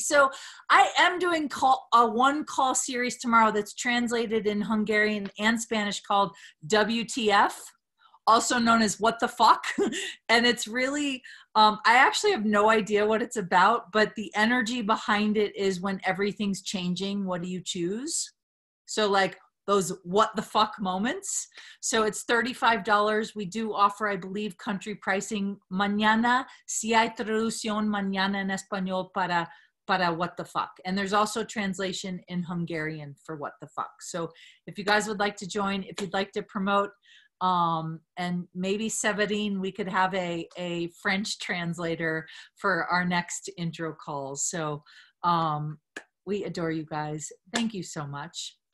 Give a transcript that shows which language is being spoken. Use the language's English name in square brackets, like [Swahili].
[English] So I am doing a one call series tomorrow that's translated in Hungarian and Spanish called WTF, also known as What the Fuck. And it's really, I actually have no idea what it's about, but the energy behind it is when everything's changing, what do you choose? So like, those what the fuck moments. So it's $35. We do offer, I believe, country pricing [Spanish] mañana. Si hay traducción mañana en español para what the fuck. [English] And there's also translation in Hungarian for what the fuck. So if you guys would like to join, if you'd like to promote, And maybe Severine, we could have a French translator for our next intro calls. So we adore you guys. Thank you so much.